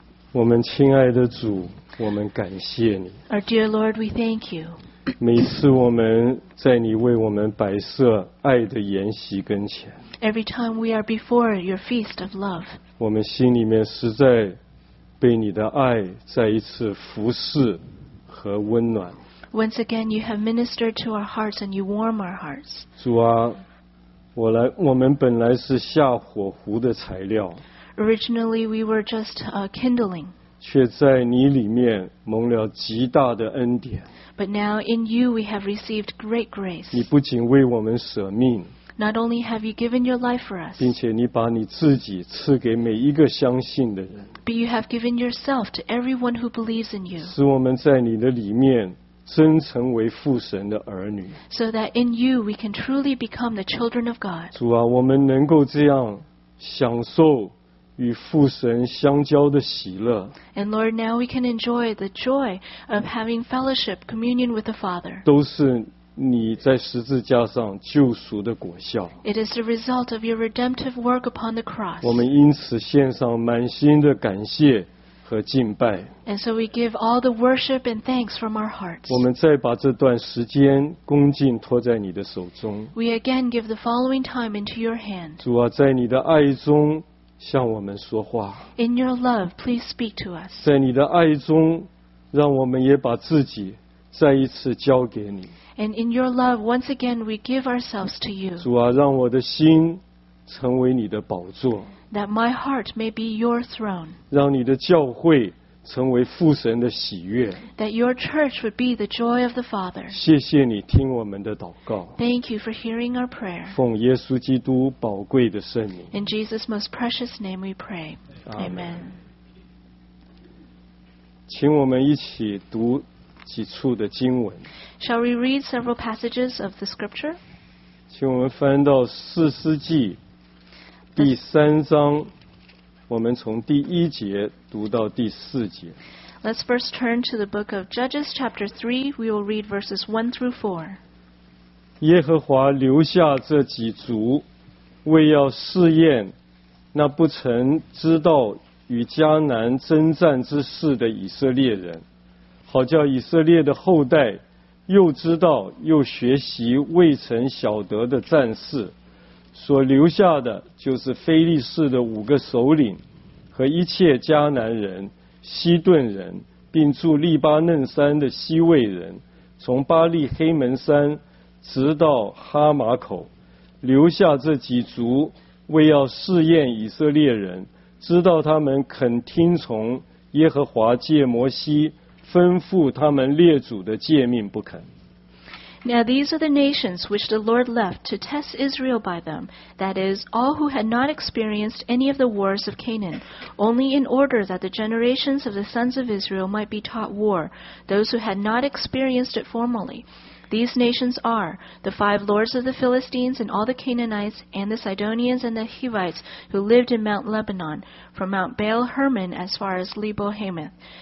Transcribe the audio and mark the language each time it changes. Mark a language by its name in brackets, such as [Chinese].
[Chinese] 我们亲爱的主我们感谢你 [English] Our dear Lord, we thank you [Chinese] 每次我们在你为我们摆设爱的筵席跟前 [English] Every time we are before your feast of love [Chinese] 我们心里面实在被你的爱再一次服侍和温暖 [English] Once again, you have ministered to our hearts and you warm our hearts [Chinese] 主啊我们本来是下火湖的材料 [English] Originally we were just kindling [Chinese] 却在你里面蒙了极大的恩典 [English] But now in you we have received great grace [Chinese] 你不仅为我们舍命 [English] Not only have you given your life for us [Chinese] 并且你把你自己赐给每一个相信的人 [English] But you have given yourself to everyone who believes in you [Chinese] 使我们在你的里面真成为父神的儿女 [English] So that in you we can truly become the children of God [Chinese] 主啊我们能够这样享受与父神相交的喜乐 [English] And Lord now we can enjoy the joy of having fellowship communion with the Father [Chinese] 都是你在十字架上救赎的果效 [English] It is the result of your redemptive work upon the cross [Chinese] 我们因此献上满心的感谢和敬拜 [English] And so we give all the worship and thanks from our hearts. [Chinese] 我们再把这段时间恭敬托在你的手中。 [English] We again give the following time into your hand. [Chinese] 主啊，在你的爱中向我们说话。 [English] In your love, please speak to us. [Chinese] 在你的爱中，让我们也把自己再一次交给你。 [English] And in your love, once again, we give ourselves to you. [Chinese] 主啊，让我的心成为你的宝座。 [English] That my heart may be your throne. [Chinese] 让你的教会成为父神的喜悦。 [English] That your church would be the joy of the Father. [Chinese] 谢谢你听我们的祷告。 [English] Thank you for hearing our prayer. [Chinese] 奉耶稣基督宝贵的圣名。 [English] In Jesus' most precious name we pray. Amen. Amen. [Chinese] 请我们一起读几处的经文。 [English] Shall we read several passages of the scripture? [Chinese] 请我们翻到四世纪。第三章我们从第一节读到第四节 [English] Let's first turn to the book of Judges chapter 3 We will read verses 1 through 4 [Chinese] 耶和华留下这几族为要试验那不曾知道与迦南征战之事的以色列人好叫以色列的后代又知道又学习未曾晓得的战事所留下的就是非利士的五个首领和一切迦南人西顿人并住利巴嫩山的西魏人从巴利黑门山直到哈马口留下这几族为要试验以色列人知道他们肯听从耶和华借摩西吩咐他们列祖的诫命不肯 [English] Now these are the nations which the Lord left to test Israel by them, that is, all who had not experienced any of the wars of Canaan, only in order that the generations of the sons of Israel might be taught war, those who had not experienced it formerly. These nations are the five lords of the Philistines and all the Canaanites and the Sidonians and the Hivites who lived in Mount Lebanon, from Mount Baal Hermon as far as Lebo Hamath.